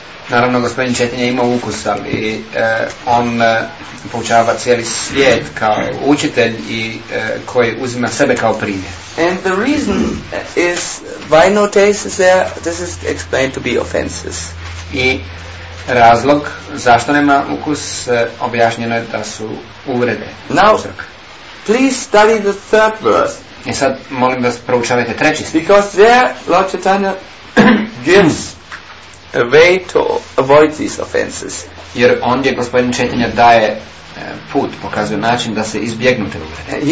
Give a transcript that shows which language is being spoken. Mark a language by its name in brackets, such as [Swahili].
[Croatian] Naravno, gospodin Chaitanya ima ukus, ali on poučava cijeli svijet kao učitelj i koji uzima sebe kao primjer. [English] And the reason is, why no taste is there, this is explained to be offenses. [Croatian] I razlog zašto nema ukus, objašnjeno je da su uvrede. [English] Now, please study the third verse. [Croatian] I sad molim da proučavate treći stih. [English] Because there, Lord Chaitanya gives a way to avoid these offenses. [Croatian] Jer ondje gospodin Chaitanya daje put, pokazuje način da se izbjegnu te uvrede.